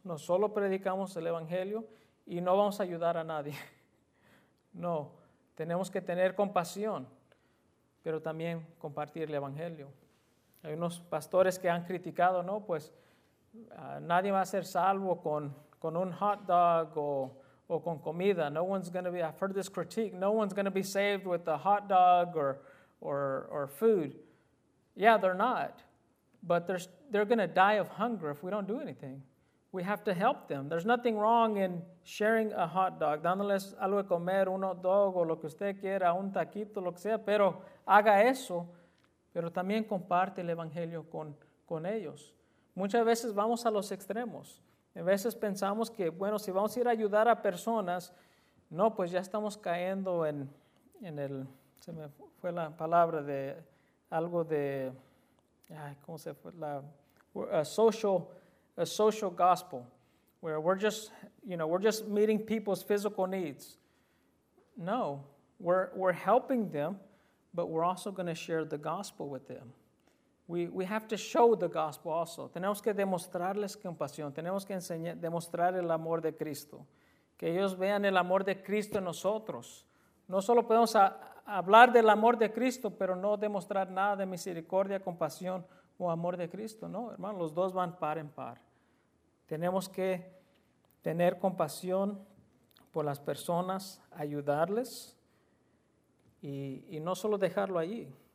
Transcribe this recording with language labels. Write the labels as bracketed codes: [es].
[es] No solo predicamos el evangelio y no vamos a ayudar a nadie. No, tenemos que tener compasión, pero también compartir el evangelio. Hay unos pastores que han criticado, ¿no? Pues nadie va a ser salvo con un hot dog o con comida. [en] No one's going to be, I've heard this critique, no one's going to be saved with a hot dog or food. Yeah, they're not. But they're going to die of hunger if we don't do anything. We have to help them. There's nothing wrong in sharing a hot dog, [es] dándoles algo de comer, un hot dog, o lo que usted quiera, un taquito, lo que sea, pero haga eso, pero también comparte el evangelio con ellos. Muchas veces vamos a los extremos. A veces pensamos que, bueno, si vamos a ir a ayudar a personas, no, pues ya estamos cayendo en el, se me fue la palabra de algo de, ay, ¿cómo se fue? [en] A social gospel, where we're just meeting people's physical needs. No, we're helping them, but we're also going to share the gospel with them. We have to show the gospel also. [es] Tenemos que demostrarles compasión. Tenemos que demostrar el amor de Cristo. Que ellos vean el amor de Cristo en nosotros. No solo podemos hablar del amor de Cristo, pero no demostrar nada de misericordia, compasión o amor de Cristo. No, hermano, los dos van par en par. Tenemos que tener compasión por las personas, ayudarles y no solo dejarlo allí.